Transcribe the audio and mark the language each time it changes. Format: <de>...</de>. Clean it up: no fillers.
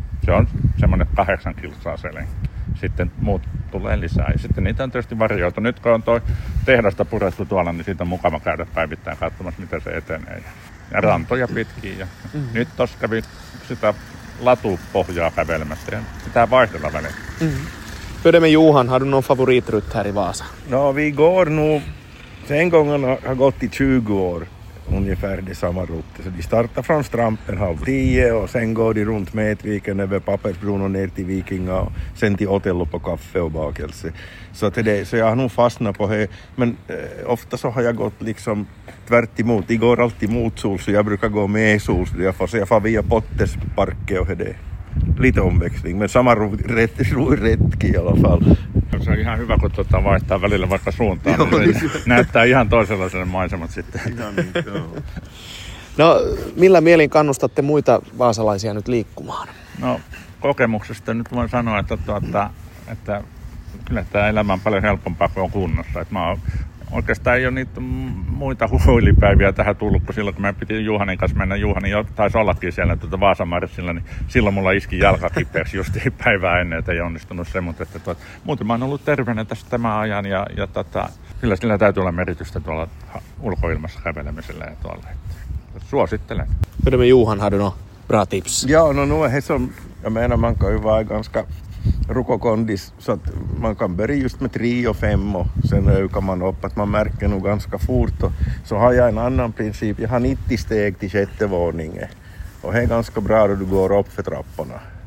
<fi>Se on semmoinen 8 kilsaa selin. Sitten muut tulee lisää ja sitten niitä on tietysti varioitu. Nyt kun on toi tehdasta purettu tuolla, niin siitä on mukava käydä päivittäin katsomassa, miten se etenee. Ja rantoja pitkin. Ja Nyt tossa kävi sitä latupohjaa kävelemässä ja pitää vaihdella väliin.</fi> <sv>Pyydämme Johan, har du någon favoritrytt här i Vaasa? No vi går nu, sen gången har gått i 20 år. Ungefär det samma rutt. Så de startar från Strampen 9:30 och sen går de runt Metviken över Pappersbron och ner till Vikinga och sen till Otello på kaffe och bakelse. Så jag har nog fastnat på det. Men ofta så har jag gått liksom tvärt emot. De går alltid mot sol så jag brukar gå med sol. Så jag får via Pottesparke och det. Lite omväxling, men samma retki i alla fall.</sv> <fi>Se on ihan hyvä, kun vaihtaa välillä vaikka suuntaan. Joo, niin näyttää ihan toisenlaisen maisemat sitten. No, millä mielin kannustatte muita vaasalaisia nyt liikkumaan? No, kokemuksesta nyt voin sanoa, että kyllä tämä elämä on paljon helpompaa kuin on kunnossa. Että oikeastaan ei ole niitä muita huilipäiviä tähän tullut, kun silloin kun mä piti Juhanin kanssa mennä, Juhani jo taisi ollakin siellä Vaasamarsilla, niin silloin mulla iski jalkakipeäksi just päivää ennen, että ei onnistunut se, mutta että muuten mä oon ollut terveenä tässä tämän ajan ja kyllä sillä täytyy olla merkitystä tuolla ulkoilmassa kävelemisellä ja tuolla, että suosittelen.</fi> <sv>Pidämme Juhan, har du no bra tips? Joo, no nu är det som, jag menar man kan ju vara ganska rukokondis så att man kan börja just med 3 och 5 och sen ökar man upp att man märker nog ganska fort. Och så har jag en annan princip, jag har 90 steg till 6:e våningen och det är ganska bra då du går upp för trapporna.</sv>